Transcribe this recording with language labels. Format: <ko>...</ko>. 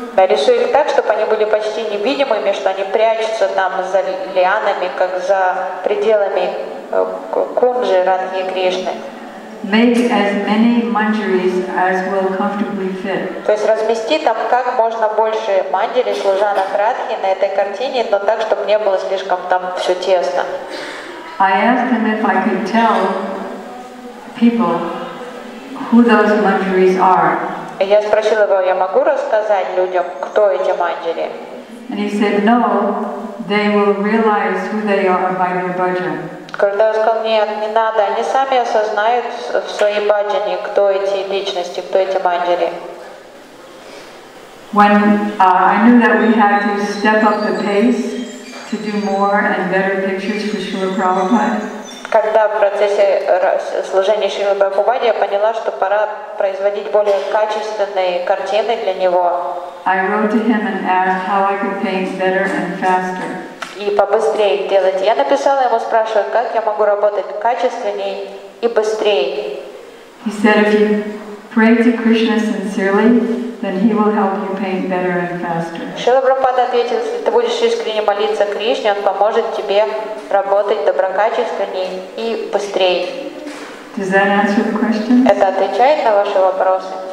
<ru>Я решил их так, чтобы они были почти невидимыми, что они прячутся там за лианами, как за пределами кунжи Радхи Кришны.</ru> <en>Make as many manjaris as will comfortably fit.</en> <ru>То есть размести там как можно больше манджари, служанок Радхи на этой картине, но так, чтобы не было слишком там все тесно.</ru> <en>I asked him if I could tell people who those manjaris are.</en> <ru>И я спросила его, я могу рассказать людям, кто эти манджари?</ru> <en>And he said, no, they will realize who they are by their bhajan.</en> <ru>Когда я сказал, нет, не надо, они сами осознают в своей бхаджане, кто эти личности, кто эти манджари.</ru> <en>When I knew that we had to step up the pace to do more and better pictures for Srila Prabhupada.</en> <ru>Когда в процессе служения Шрилы Прабхупаде я поняла, что пора производить более качественные картины для него.</ru> <en>I wrote to him and asked how I could paint better and faster.</en> <ru>И побыстрее делать. Я написала ему, спрашивая, как я могу работать качественнее и быстрее.</ru> <en>He said, if you pray to Krishna sincerely, then he will help you paint better and faster.</en> <ru>Шрила Прабхупада ответил, если ты будешь искренне молиться Кришне, он поможет тебе работать доброкачественнее и быстрее.</ru> <en>Does that answer the question?</en> <ru>Это отвечает на ваши вопросы?</ru>